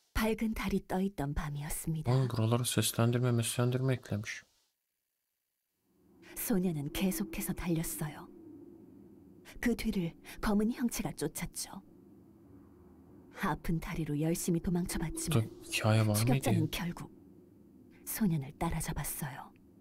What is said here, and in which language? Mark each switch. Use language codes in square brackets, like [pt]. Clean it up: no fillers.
[ko] 밝은 달이 떠 있던 밤이었습니다. [tr] Oğlum, buralara seslendirme, meslendirme eklemiş. [ko] 소녀는 계속해서 달렸어요. 그 뒤를 검은 형체가 쫓았죠. 아픈 다리로 열심히 도망쳐봤지만 추격자는 결국 소년을 따라잡았어요.